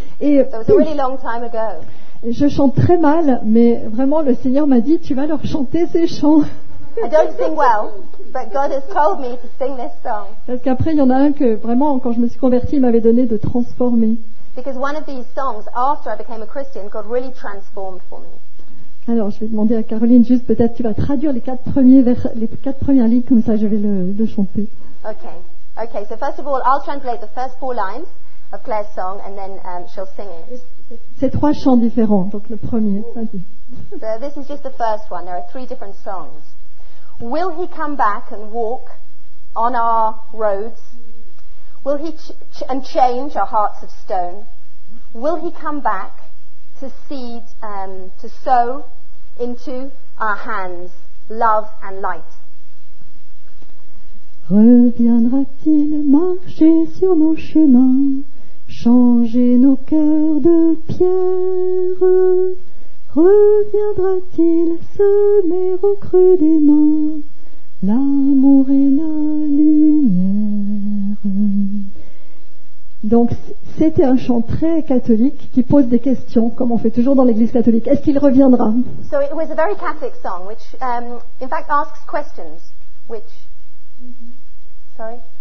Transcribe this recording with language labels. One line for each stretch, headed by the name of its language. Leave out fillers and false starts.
English: Et, so it was a really long time ago.
French: Je chante très mal, mais vraiment le Seigneur m'a dit, tu vas leur chanter ces chants.
English: I don't sing well, but God has told me to sing this song.
French: Parce qu'après, il y en a un que vraiment, quand je me suis convertie, il m'avait donné de transformer.
English: Because one of these songs, after I became a Christian, God really transformed for me.
French: Alors, je vais demander à Caroline juste, peut-être tu vas traduire les quatre premières lignes, comme ça je vais le chanter.
English: Okay. So first of all, I'll translate the first 4 lines of Claire's song, and then she'll sing it.
French: C'est 3 chants différents, donc le premier, vas-y.
English: So this is just the first one, there are 3 different songs. Will he come back and walk on our roads? Will he and change our hearts of stone? Will he come back to seed, to sow into our hands love and light?
French: Reviendra-t-il marcher sur nos chemins? Changer nos cœurs de pierre, reviendra-t-il semer au creux des mains l'amour et la lumière? Donc, c'était un chant très catholique qui pose des questions, comme on fait toujours dans l'Église catholique. Est-ce qu'il reviendra?
English: So it was a very Catholic song, which in fact asks questions, which... Sorry?